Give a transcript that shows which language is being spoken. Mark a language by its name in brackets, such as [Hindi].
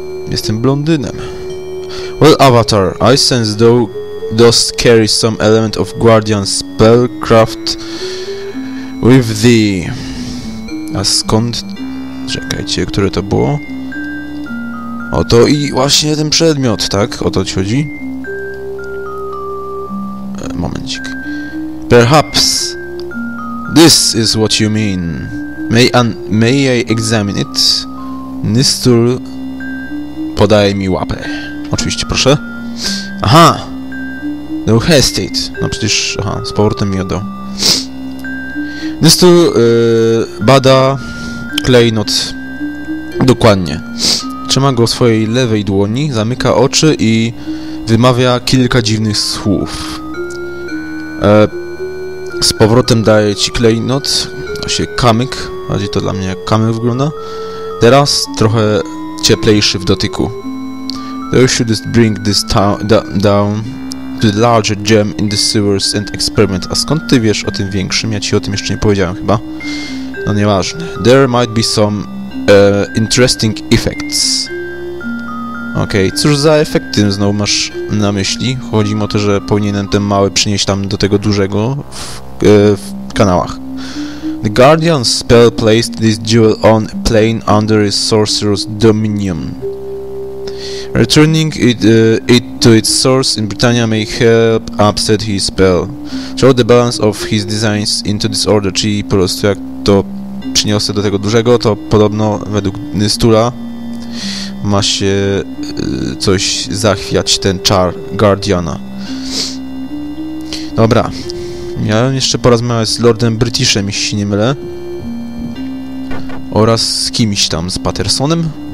[Polish] Jestem blondynem. [English] Well, Avatar, I sense thou dost carry some element of guardian spellcraft with thee. [Polish] A skąd... Czekajcie, które to było? Oto i właśnie ten przedmiot, tak? O to ci chodzi? Momencik. [English] Perhaps this is what you mean. May I examine it? [Polish] Nystul podaje mi łapę. Oczywiście, proszę. Aha! [English] No hesitate. [Polish] No przecież, aha, z powrotem mi oddał. Nystul bada klejnot dokładnie. Trzyma go w swojej lewej dłoni, zamyka oczy i wymawia kilka dziwnych słów. Z powrotem daję ci klejnot. Właśnie kamyk. Bardziej to dla mnie jak kamyk wygląda. Teraz trochę cieplejszy w dotyku. [English] Thou shouldest bring this down to the larger gem in the sewers and experiment. [Polish] A skąd ty wiesz o tym większym? Ja ci o tym jeszcze nie powiedziałem chyba. No nieważne. [English] There might be some interesting effects. [Polish] Okej, cóż za efekty znowu masz na myśli? Chodzi mi o to, że powinienem ten mały przynieść tam do tego dużego w kanałach. [English] The guardian spell placed this jewel on a plane under his sorcerer's dominion. Returning it to its source in Britannia may help upset his spell. Throw the balance of his designs into disorder. [Polish] Czyli po prostu jak to przyniosę do tego dużego, to podobno według Nystula ma się coś zachwiać ten czar Guardiana. Dobra. Miałem jeszcze porozmawiać z Lordem Britishem, jeśli się nie mylę. Oraz z kimś tam, z Pattersonem.